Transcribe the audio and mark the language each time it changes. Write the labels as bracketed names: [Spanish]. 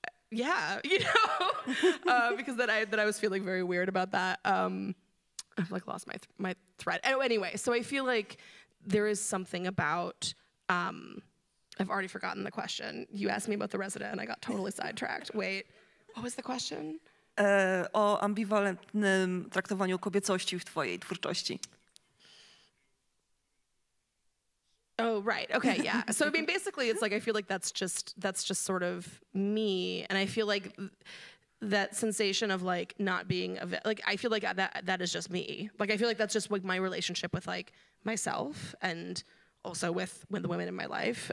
[English] Yeah, you know, because that I was feeling very weird about that. I've like lost my thread. Oh, anyway, so I feel like there is something about, I've already forgotten the question. You asked me about the resident and I got totally sidetracked. Wait, what was the question? [Polish] O ambiwalentnym traktowaniu kobiecości w twojej twórczości. [English] Oh, right, okay, yeah. So I mean, basically it's like, I feel like that's just sort of me. And I feel like that sensation of like not being, I feel like that is just me. Like, I feel like that's just like my relationship with like myself, and also with the women in my life.